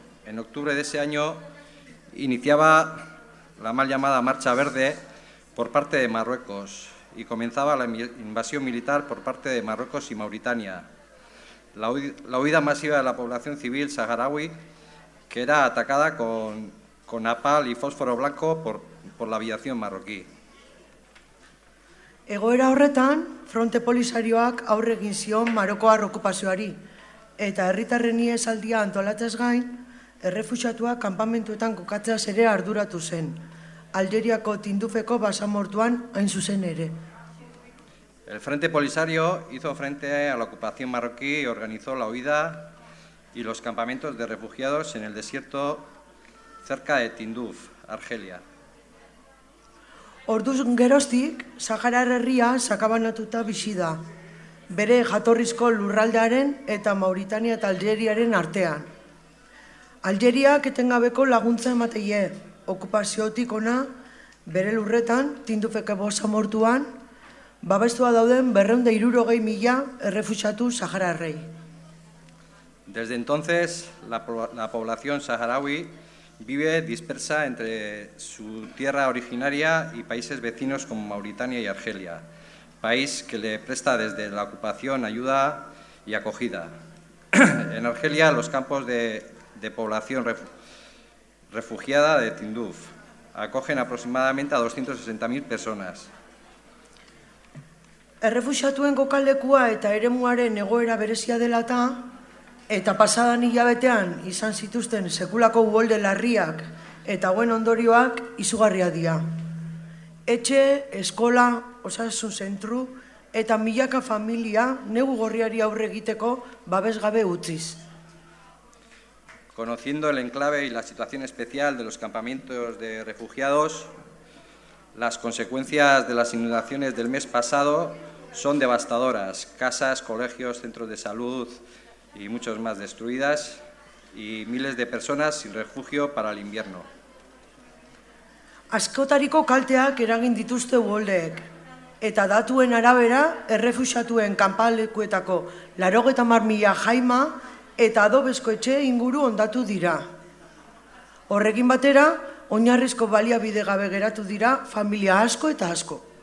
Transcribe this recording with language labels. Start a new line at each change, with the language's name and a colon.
Spanish: En octubre de ese año iniciaba la mal llamada Marcha Verde por parte de Marruecos y comenzaba la invasión militar por parte de Marruecos y Mauritania. La huida masiva de la población civil saharaui, que era atacada con napal y fósforo blanco por la aviación marroquí.
Basque: Egoera horretan, fronte polisarioak aurre egin zion Marokoar okupazioari, eta herritarren ihesaldia antolatzez gain, errefuxatuak kanpamentuetan kokatzeaz ere arduratu zen, Algeriako Tindufeko basamortuan hain zuzen ere.
Spanish: El frente polisario hizo frente a la ocupación marroquí y organizó la huida y los campamentos de refugiados en el desierto cerca de Tinduf, Argelia.
Basque: Orduz geroztik, Sahara herria sakabanatuta bizi da, bere jatorrizko lurraldearen eta Mauritania eta Algeriaren artean. Algeriak etengabeko laguntza emateie, okupaziotik ona, bere lurretan, Tindufeko basamortuan, babestua dauden 260.000 errefuxatu Sahara herrei.
Spanish: Desde entonces, la población saharaui vive dispersa entre su tierra originaria y países vecinos como Mauritania y Argelia, país que le presta desde la ocupación ayuda y acogida. En Argelia, los campos de población refugiada de Tinduf acogen aproximadamente a 260.000 personas.
Basque: Errefuxatuen kokaldekua eta eremuaren egoera berezia dela eta, eta pasadan hilabetean izan zituzten sekulako uolde larriak eta hauen ondorioak izugarria dira. Etxe, eskola, osasun zentru eta milaka familia negu gorriari aurre egiteko babesgabe utziz.
Spanish: Conociendo el enclave y la situación especial de los campamentos de refugiados, las consecuencias de las inundaciones del mes pasado son devastadoras. Casas, colegios, centros de salud y muchos más destruidas, y miles de personas sin refugio para el invierno.
Basque: Askotariko kalteak eragin dituzte uholdeek, eta datuen arabera errefuxatuen kanpalekuetako 80.000 jaima eta adobezko etxe inguru hondatu dira. Horrekin batera, oinarrizko baliabide gabe geratu dira familia asko eta asko.